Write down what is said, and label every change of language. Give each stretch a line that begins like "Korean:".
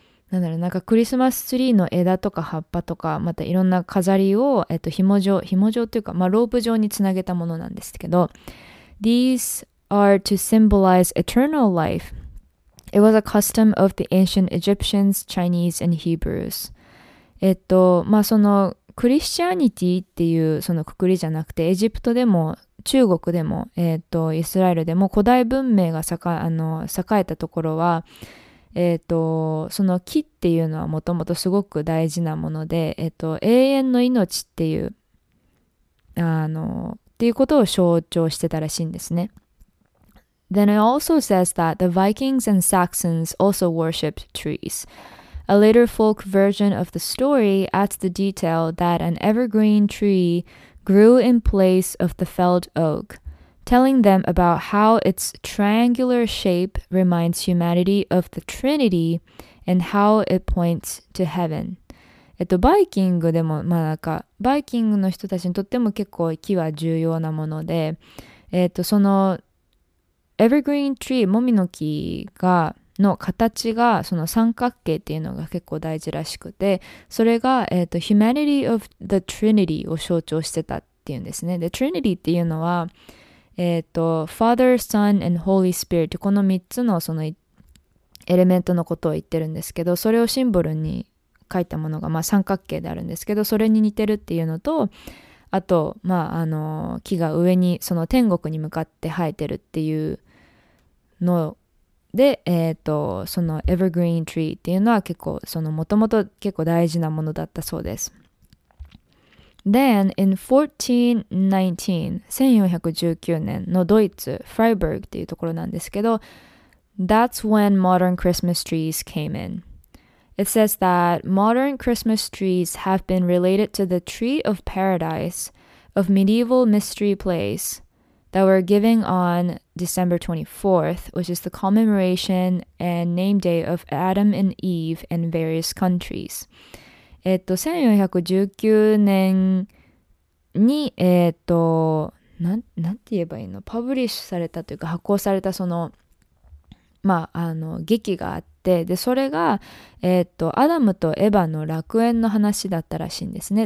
Japanese: なんだろう、なんかクリスマスツリーの枝とか葉っぱとか、またいろんな飾りを、紐状というか、まあ、ロープ状につなげたものなんですけど、
English: These are to symbolize eternal life. It was a custom of the ancient Egyptians, Chinese, and Hebrews.
Japanese: まあ、そのクリスチャニティっていうそのくくりじゃなくて、エジプトでも中国でも、イスラエルでも古代文明が栄えたところは、その木っていうのはもともとすごく大事なもので、永遠の命っていうっていうことを象徴してたらしいんですね。
English: Then it also says that the Vikings and Saxons also worshipped trees. A later folk version of the story adds the detail that an evergreen treegrew in place of the felled oak, telling them about how its triangular shape reminds humanity of the Trinity and how it points to heaven.
Japanese: バイキングでも、まあ、なんかバイキングの人たちにとっても結構木は重要なもので、そのエヴェグリーンツリー、モミの木がの形がその三角形っていうのが結構大事らしくて、それが、
English: Humanity of the Trinity
Japanese: を象徴してたっていうんですね。で、Trinity っていうのは、
English: Father, Son, and Holy Spirit、
Japanese: この三つのそのエレメントのことを言ってるんですけど、それをシンボルに書いたものが、まあ、三角形であるんですけど、それに似てるっていうのと、あと、まあ、木が上にその天国に向かって生えてるっていうので、そのエヴェグリーンツリーっていうのは結構そのもともと結構大事なものだったそうです。
English: Then in 1419
Japanese: 年のドイツ、フライブルクっていうところなんですけど、
English: That's when modern Christmas trees came in. It says that modern Christmas trees have been related to the tree of paradise of medieval mystery plays. That were given on December 24th, which is the commemoration and name day of Adam and Eve in various countries.
Japanese: 1419年に、なんて言えばいいの、パブリッシュされたというか発行されたその、まあ、劇があって、で、それが、アダムとエヴァの楽園の話だったらしいんですね。